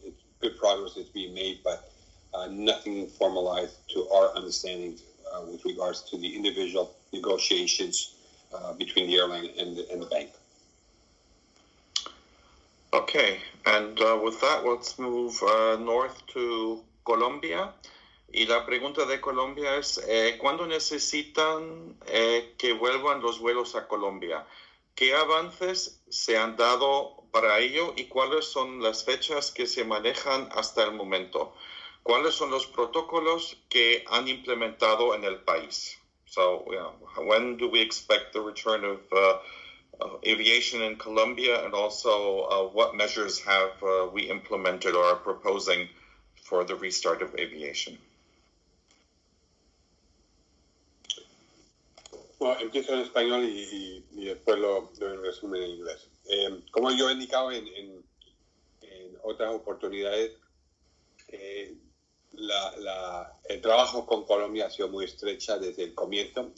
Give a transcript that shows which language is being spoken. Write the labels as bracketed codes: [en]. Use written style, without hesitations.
[en] It's good progress is being made, but nothing formalized to our understanding with regards to the individual negotiations between the airline and the bank. Okay, and with that, let's move north to Colombia. [es] Y la pregunta de Colombia es, ¿cuándo necesitan que vuelvan los vuelos a Colombia? ¿Qué avances se han dado para ello y cuáles son las fechas que se manejan hasta el momento? ¿Cuáles son los protocolos que han implementado en el país? [en] So, you know, when do we expect the return of aviation in Colombia, and also what measures have we implemented or are proposing for the restart of aviation? [es] Bueno, empiezo en español y después lo resumen en inglés. Como yo he indicado en otras oportunidades, el trabajo con Colombia ha sido muy estrecha desde el comienzo.